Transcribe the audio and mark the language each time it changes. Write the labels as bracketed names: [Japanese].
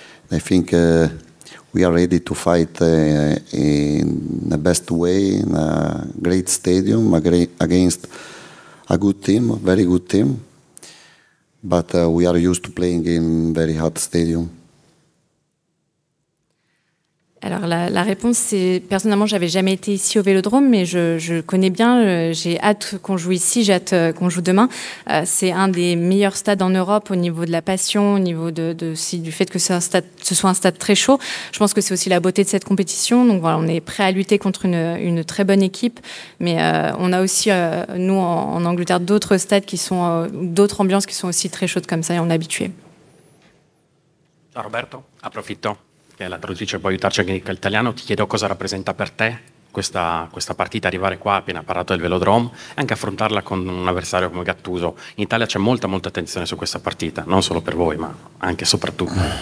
[English] I think we are ready to fight in the best way, in a great stadium, against a good team, a very good team. But we are used to playing in very hot stadium. [French] Alors la réponse, c'est personnellement, j'avais jamais été ici au Vélodrome, mais je connais bien. J'ai hâte qu'on joue ici, j'ai hâte qu'on joue demain. C'est un des meilleurs stades en Europe au niveau de la passion, au niveau du fait que ce soit un stade très chaud. Je pense que c'est aussi la beauté de cette compétition. Donc voilà, on est prêt à lutter contre une très bonne équipe, mais on a aussi nous en Angleterre d'autres stades qui sont d'autres ambiances qui sont aussi très chaudes comme ça, et on est habitué. [Italian] Roberto, approfittant. La traduttrice può aiutarci anche in italiano. Ti chiedo cosa rappresenta per te questa partita, arrivare qua, appena parlato del Velodrome, e anche affrontarla con un avversario come Gattuso. In Italia c'è molta, molta attenzione su questa partita, non solo per voi, ma anche e soprattutto.